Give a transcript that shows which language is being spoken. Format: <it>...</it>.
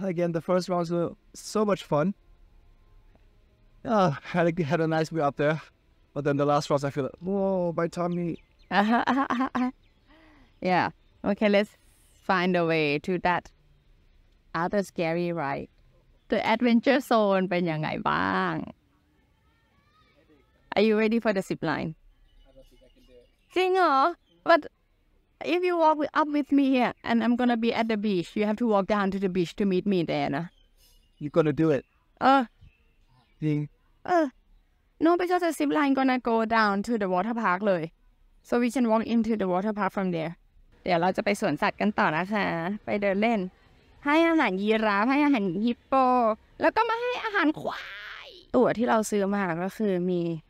<en>Again, the first rounds were so much fun. Oh, I had a nice view up there. But then the last rounds, I feel like, whoa, my tummy. Yeah. Okay, let's find a way to that other scary ride. The adventure zone</en> <th>เป็นยังไงบ้าง</th> <en>Are you ready for the zip line?</en> <th>จริงเหรอ</th> <en>But if you walk up with me here and I'm gonna be at the beach, you have to walk down to the beach to meet me there, นะ You're gonna do it?</en> <th>จริง</th> <en>No, because the zip line gonna go down to the water park เลย So we can walk into the water park from there</en> <th>เดี๋ยวเราจะไปสวนสัตว์กันต่อนะคะไปเดินเล่นให้อาหารยีราฟให้อาหารฮิปโปแล้วก็มาให้อาหารควายตั๋วที่เราซื้อมาก็คือมี</th>